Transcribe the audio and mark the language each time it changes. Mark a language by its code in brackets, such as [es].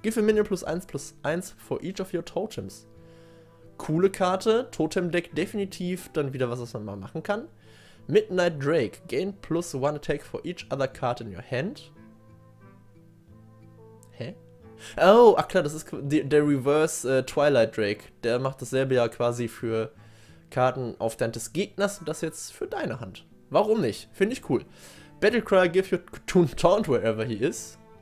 [en] Give a minion plus 1 for each of your Totems. [de] Coole Karte. Totem-Deck definitiv dann wieder was man mal machen kann. Midnight Drake. [en] Gain plus 1 attack for each other card in your hand. [de] Hä? Oh, ach klar, das ist der Reverse Twilight Drake. Der macht dasselbe ja quasi für Karten auf der Hand des Gegners und das jetzt für deine Hand. Warum nicht? Finde ich cool. [en] Battlecry, give your Cthune taunt wherever he is.